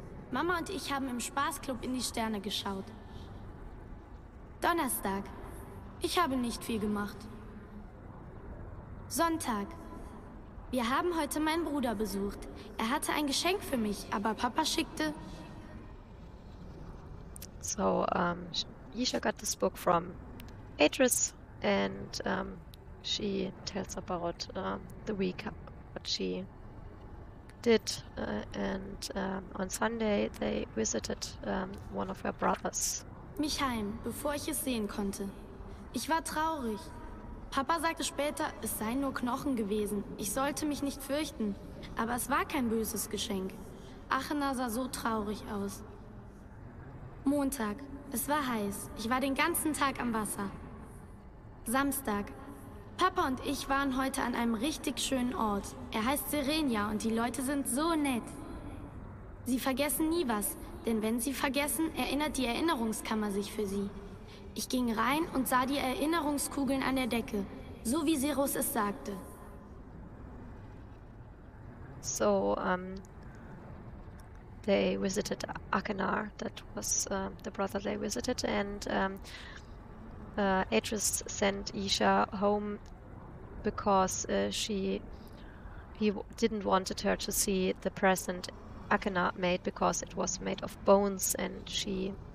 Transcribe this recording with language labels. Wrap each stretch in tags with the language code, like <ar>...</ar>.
<de>Mama und ich haben im Spaßclub in die Sterne geschaut. Donnerstag. Ich habe nicht viel gemacht. Sonntag. Wir haben heute meinen Bruder besucht. Er hatte ein Geschenk für mich, aber Papa schickte...</de> <en>So, Yisha got this book from Atris and she tells about the week, what she did. And on Sunday they visited one of her brothers.</en> <de>Mich heim, bevor ich es sehen konnte. Ich war traurig. Papa sagte später, es seien nur Knochen gewesen. Ich sollte mich nicht fürchten. Aber es war kein böses Geschenk. Achena sah so traurig aus. Montag. Es war heiß. Ich war den ganzen Tag am Wasser. Samstag. Papa und ich waren heute an einem richtig schönen Ort. Er heißt Serenia und die Leute sind so nett. Sie vergessen nie was, denn wenn sie vergessen, erinnert die Erinnerungskammer sich für sie. Ich ging rein und sah die Erinnerungskugeln an der Decke, so wie Cirrus es sagte.</de> <en>So, they visited Akenar, that was the brother they visited, and Atris sent Yisha home because he didn't wanted her to see the present Akenar made because it was made of bones and she</en>